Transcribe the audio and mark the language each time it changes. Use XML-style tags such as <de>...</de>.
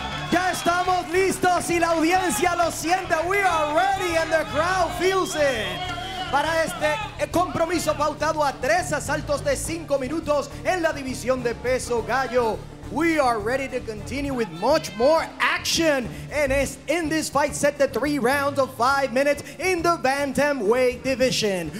<es>Ya estamos listos y la audiencia lo siente.</es> <en>We are ready and the crowd feels it.</en> <es>Para este compromiso pautado a tres asaltos de 5 minutos en la división de peso gallo.</es> <en>We are ready to continue with much more action. And in this fight set to 3 rounds of 5 minutes in the bantamweight division.</en>